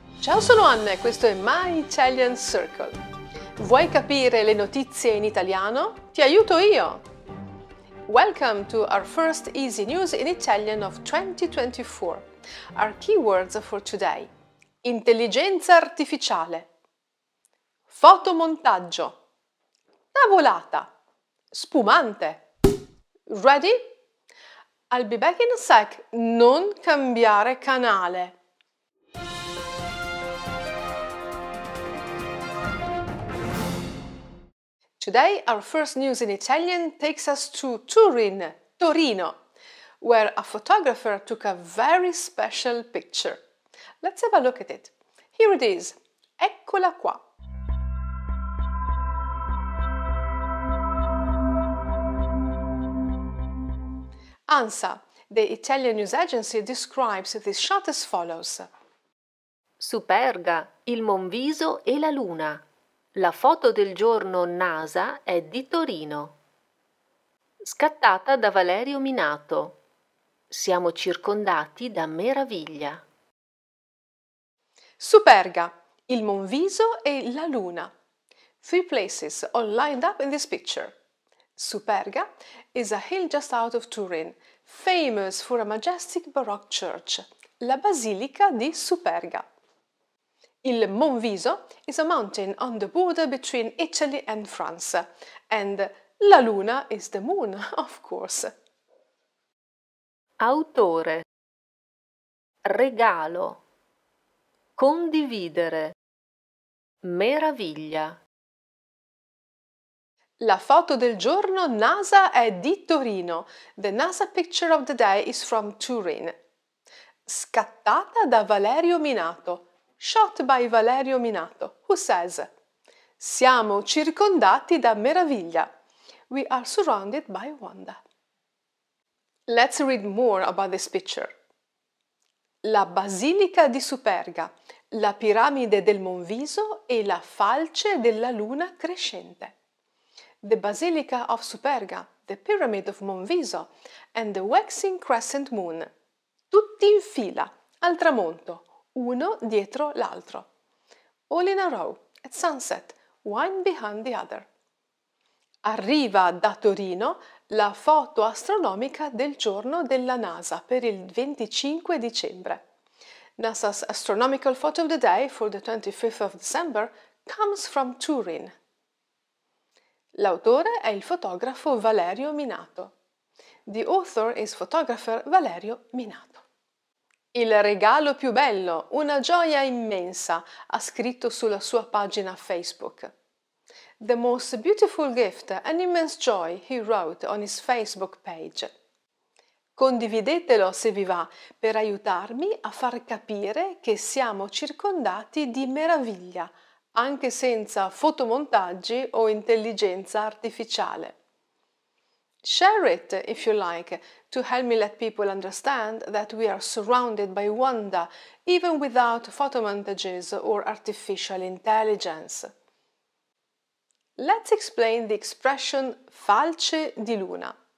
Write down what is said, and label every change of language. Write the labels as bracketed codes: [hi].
[it] Ciao, sono Anna e questo è My Italian Circle. Vuoi capire le notizie in italiano? Ti aiuto io! [en] Welcome to our first easy news in Italian of 2024. Our keywords for today: intelligenza artificiale, fotomontaggio, tavolata, spumante. Ready? I'll be back in a sec. [it] Non cambiare canale. [en] Today, our first news in Italian takes us to Turin, Torino, where a photographer took a very special picture. Let's have a look at it. Here it is. [it] Eccola qua. [en] ANSA, the Italian news agency, describes this shot as follows. [it] Superga, il Monviso e la Luna. La foto del giorno NASA è di Torino. Scattata da Valerio Minato. Siamo circondati da meraviglia. Superga, il Monviso e la Luna. [en] Three places all lined up in this picture. Superga is a hill just out of Turin, famous for a majestic Baroque church, la Basilica di Superga. Il Monviso is a mountain on the border between Italy and France, and la Luna is the moon, of course. [it] Autore. Regalo. Condividere. Meraviglia. La foto del giorno NASA è di Torino. [en] The NASA picture of the day is from Turin. [it] Scattata da Valerio Minato. [en] Shot by Valerio Minato, who says, [it] Siamo circondati da meraviglia. [en] We are surrounded by wonder. Let's read more about this picture. [it] La Basilica di Superga, la piramide del Monviso e la falce della luna crescente. [en] The Basilica of Superga, the Pyramid of Monviso, and the waxing crescent moon. [it] Tutti in fila, al tramonto, uno dietro l'altro. [en] All in a row, at sunset, one behind the other. [it] Arriva da Torino la foto astronomica del giorno della NASA per il 25 dicembre. [en] NASA's astronomical photo of the day for the 25th of December comes from Turin. [it] L'autore è il fotografo Valerio Minato. [en] The author is photographer Valerio Minato. [it] Il regalo più bello, una gioia immensa, ha scritto sulla sua pagina Facebook. [en] The most beautiful gift, an immense joy, he wrote on his Facebook page. [it] Condividetelo se vi va, per aiutarmi a far capire che siamo circondati di meraviglia, anche senza fotomontaggi o intelligenza artificiale. [en] Share it, if you like, to help me let people understand that we are surrounded by wonder, even without photomontages or artificial intelligence. Let's explain the expression falce di luna.